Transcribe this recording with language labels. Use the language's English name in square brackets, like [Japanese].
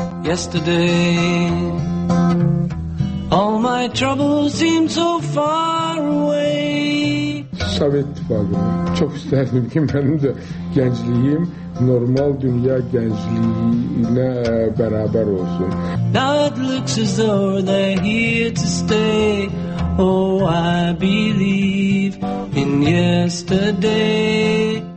[English] Yesterday, all my troubles seemed so far away. [Azerbaijani] Sovet İttifaqını çox istərdim ki, mənim də gəncliyim normal dünya gəncliyi ilə bərabər olsun. [English] Now it looks as though they're here to stay. Oh, I believe in yesterday.